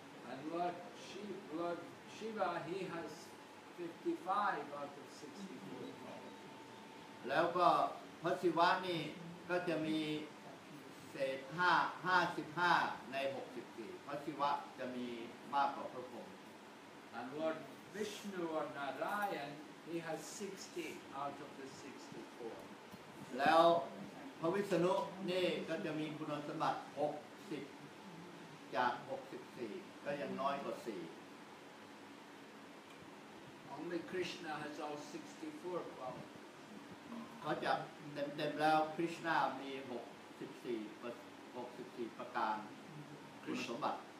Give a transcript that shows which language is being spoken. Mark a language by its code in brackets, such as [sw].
[en] And Lord Shiva he has 55 out of 64 [th] แล้วก็พระศิวะนี่ก็จะมีเศษ55ใน64พระศิวะจะมีมากกว่าพระพรหม [en] And Lord Vishnu or Narayan, he has 60 out of the 64. [th] แล้วพระวิษณุนี่ก็จะมีคุณสมบัติ60จาก64ก็ยังน้อยกว่า4 [en] Only Krishna has all 64 qualities. [th] เขาจะเต็มๆแล้วคริชนามี64ประการคุณสมบัติ